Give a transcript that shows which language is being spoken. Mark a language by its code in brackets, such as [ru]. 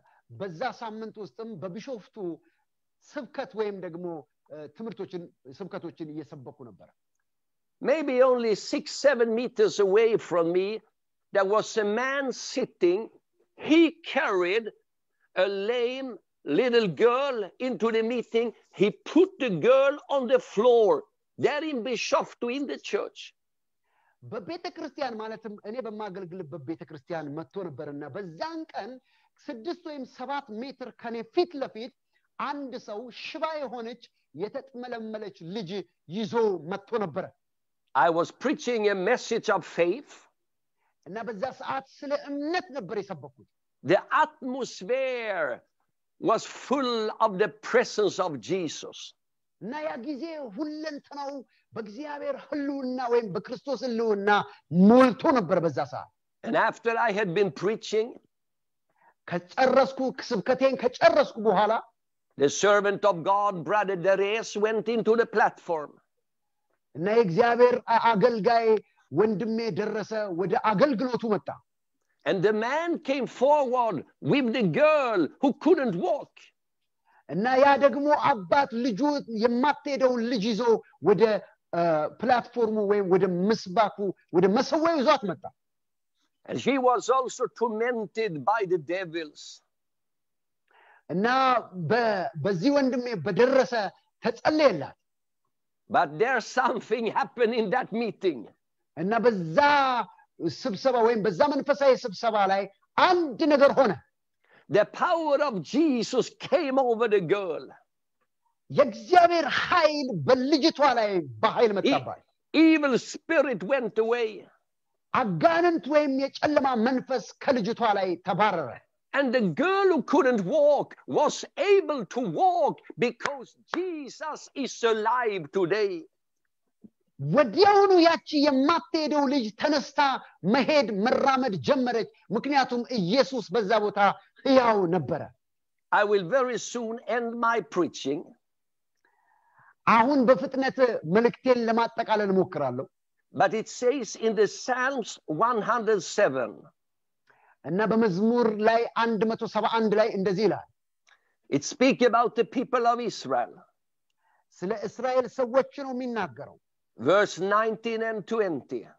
[am] በዛ ሳምንት ውስጥም በቢሾፍቱ ስብከት ወይም ደግሞ ትምርቶችን ስብከቶችን እየሰበኩ ነበር። [en] Maybe only 6-7 meters away from me there was a man sitting. He carried a lame little girl into the meeting. He put the girl on the floor there in Bishoftu in the church. [am] በቤተ ክርስቲያን ማለትም እኔ በማገልግል በቤተ ክርስቲያን መጥቶ ነበርና በዛን ቀን 6 ወይም 7 ሜትር ከኔ ፊት ለፊት አንድ ሰው ሽባ የሆነች የተጠመለመለች ልጅ ይዞ መጥቶ ነበር። [en] I was preaching a message of faith. [am] እና በዛ ሰዓት ስለ እምነት ነበር የሰበኩት። [en] The atmosphere was full of the presence of Jesus. [am] እና ያ ጊዜ ሁሉንተናው በእግዚአብሔር ህልውና ወይም በክርስቶስ ህልውና ሞልቶ ነበር በዛ ሰዓት። [en] And after I had been preaching, [am] ከጨረስኩ ስብከቴን ከጨረስኩ በኋላ [en] the servant of God, Brother Darius, went into the platform. [am] እና እግዚአብሔር አገልጋይ ወንድሜ ደረሰ ወደ አገልግሎቱ መጣ። [en] And the man came forward with the girl who couldn't walk. [am] እና ያ ደግሞ አባት ልጁ የማትሄደው ልጅ ይዞ ወደ ፕላትፎርሙ ወይም ወደ ምስባኩ ወደ መሰዊያው ይዞት መጣ። [en] And she was also tormented by the devils. [am] እና በዚህ ወንድሜ በደረሰ ተጸለየላት። [en] But there's something happened in that meeting. [am] እና በዛ ስብሰባ ወይም በዛ መንፈሳዊ ስብሰባ ላይ አንድ ነገር ሆነ። [en] The power of Jesus came over the girl. [am] የእግዚአብሔር ኃይል በልጅቷ ላይ በኃይል መጣባት። [en] Evil spirit went away. [am] አጋንንት ወይም የጨለማ መንፈስ ከልጅቷ ላይ ተባረረ። [en] And the girl who couldn't walk was able to walk because Jesus is alive today. [am] ወዲያውኑ ያቺ የማትሄደው ልጅ ተነስተ መሄድ መራመድ ጀመረች ምክንያቱም ኢየሱስ በዛ ቦታ ሕያው ነበር። [en] I will very soon end my preaching. [am] አሁን በፍጥነት መልእክቴን ለማጠቃለል ሞክራለሁ። [en] But it says in the Psalms 107. [am] እና በመዝሙር ላይ 171 ላይ እንደዚህ ይላል። [en] It speaks about the people of Israel. [am] ስለ እስራኤል ሰዎች ነው የሚናገረው። [en] Verse 19 and 20.